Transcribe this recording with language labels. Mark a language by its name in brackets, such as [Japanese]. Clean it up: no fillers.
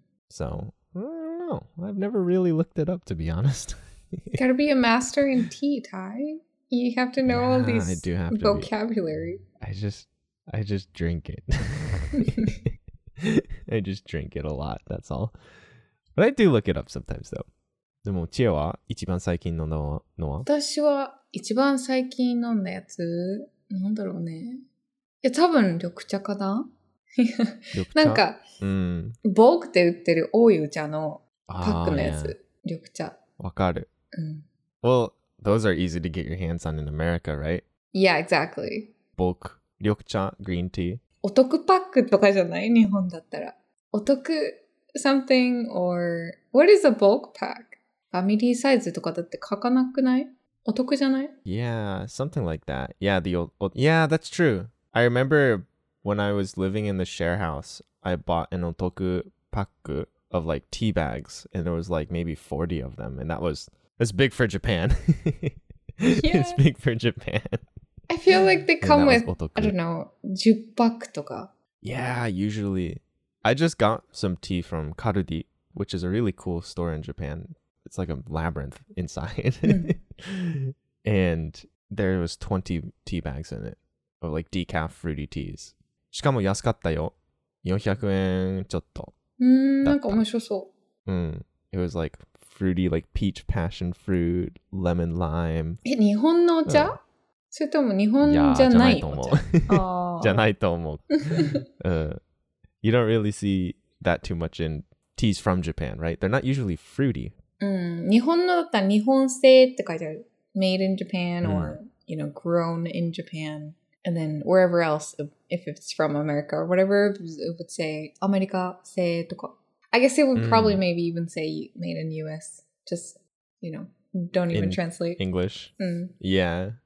[English] So, I don't know. I've never really looked it up, to be honest. Gotta be a master in tea, Tai. You have to know all these vocabulary. I just drink it. I just drink it a lot, that's all. But I do look it up sometimes, though. [Japanese] でも、チエは一番最近飲んだのは? 私は一番最近飲んだやつ、なんだろうね。いや、多分緑茶かな? 緑茶? なんか、ボークで売ってる多いお茶のパックのやつ、緑茶。わかる。 [English] Well, those are easy to get your hands on in America, right? Yeah, exactly. [Japanese] ボーク、緑茶、グリーンティー。お得パックとかじゃない? 日本だったら。お得 something or... [English] What is a bulk pack? [Japanese] ファミリーサイズとかだって書かなくない? お得じゃない? [English] Yeah, something like that. Yeah, the old... Yeah, that's true. I remember when I was living in the share house, I bought an otoku pack of like tea bags, and there was like maybe 40 of them, and that was That's big for Japan. Yeah. It's big for Japan. I feel like they come with, I don't know, 10パック とか. Yeah, usually. I just got some tea from Karudi, which is a really cool store in Japan. It's like a labyrinth inside. And there was 20 tea bags in it, of like decaf fruity teas. [Japanese] しかも安かったよ。400円ちょっと。なんか面白そう。 It was like fruity, like peach passion fruit, lemon lime. え、日本のお茶？それとも日本じゃないお茶？じゃないと思う。 [English] You don't really see that too much in teas from Japan, right? They're not usually fruity. [Japanese] 日本のだったら日本製って書いてある。 [English] Made in Japan or, you know, grown in Japan. And then wherever else, if it's from America or whatever, it would say America 製とか。 I guess it would probably maybe even say made in US. Just, you know, don't even in translate. English? Yeah.